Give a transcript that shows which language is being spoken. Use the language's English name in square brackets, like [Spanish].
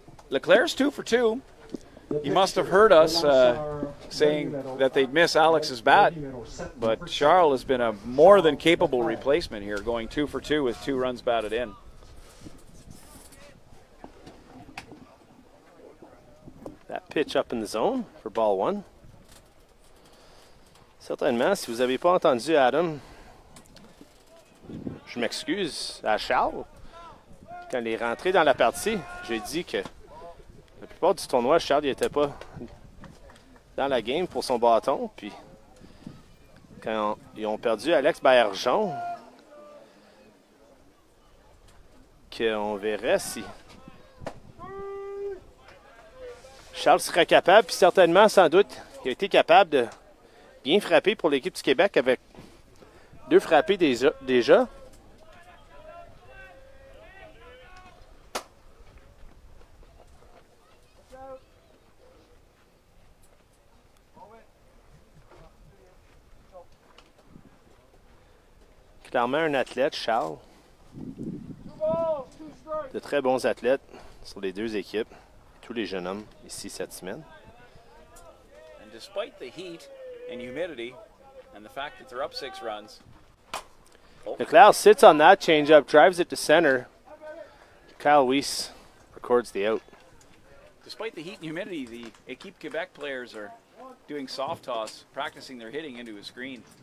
[English] Leclerc's 2-for-2. He must have heard us saying that they'd miss Alex's bat, but Charles has been a more than capable replacement here, going 2-for-2 with two runs batted in. That pitch up in the zone for ball one. [French] Certainement, si vous n'avez pas entendu Adam, je m'excuse à Charles. Quand il est rentré dans la partie, j'ai dit que la plupart du tournoi, Charles n'était pas dans la game pour son bâton. Puis quand ils ont perdu Alex Bergeon, qu'on verrait si Charles serait capable, puis certainement, sans doute, il a été capable de bien frapper pour l'équipe du Québec avec deux frappés déjà. Clairement un athlète, Charles. De très bons athlètes sur les deux équipes. Tous les jeunes hommes ici cette semaine. [English] And despite the heat and humidity and the fact that they're up six runs. McLeod sits on that changeup, drives it to center. Kyle Weiss records the out. Despite the heat and humidity, the Équipe Québec players are doing soft toss, practicing their hitting into a screen.